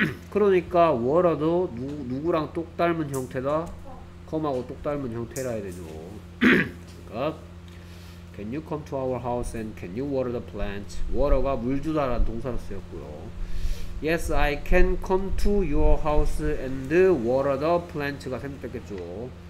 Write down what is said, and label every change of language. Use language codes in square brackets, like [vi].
[ko] 그러니까 워라도 누구랑 똑 닮은 형태다. 컴하고 똑 닮은 형태라 해야 되죠. 그러니까 [en] can you come to our house and can you water the plants. [ko] 워러가 물 주다라는 동사로 쓰였고요. [en] yes I can come to your house and water the plants [ko] 가 생각됐겠죠.